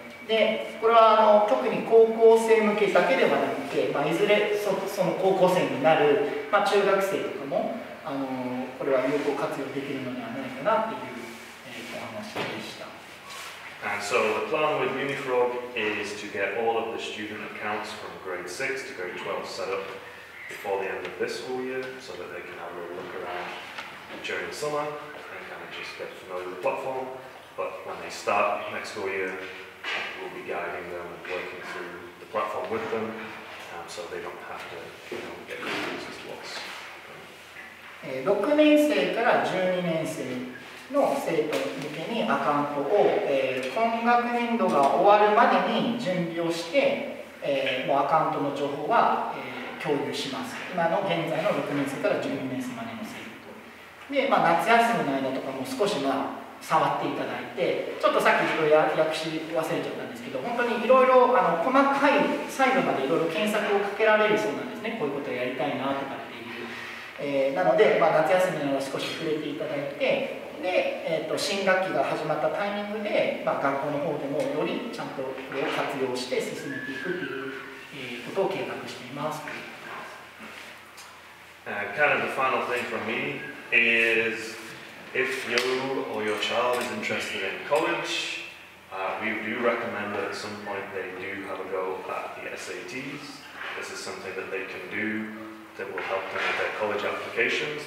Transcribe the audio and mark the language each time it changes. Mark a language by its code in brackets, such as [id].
[ja] でこれは特に高校生向けだけではなくて、いずれ その高校生になる、中学生とかもこれは有効活用できるのではないかなという、お話でした。 [en] And so the plan with Unifrog is to get all of the student accounts from grade 6 to grade 12 set up before the end of this school year so that they can have a look around during the summer and kind of just get familiar with the platform. But when they start next school year,We'll be guiding them and working through the platform with them, so they don't have to, get confused as lots. [ja] 6年生から12年生の生徒向けにアカウントを、今学年度が終わるまでに準備をして、もうアカウントの情報は、共有します。今の現在の6年生から12年生までの生徒と。で、夏休みの間とかも少しは触っていただいて、ちょっとさっきちょっと訳し忘れちゃったんですけど、本当にいろいろ細かい細部までいろいろ検索をかけられるそうなんですね。こういうことをやりたいなとかっていう、なので、夏休みなら少し触れていただいて、で、新学期が始まったタイミングで、学校の方でもよりちゃんとこれを活用して進めていくっていう、ことを計画しています。 [en] Kind of the final thing for me isIf you or your child is interested in college, we do recommend that at some point they do have a go at the SATs. This is something that they can do that will help them with their college applications.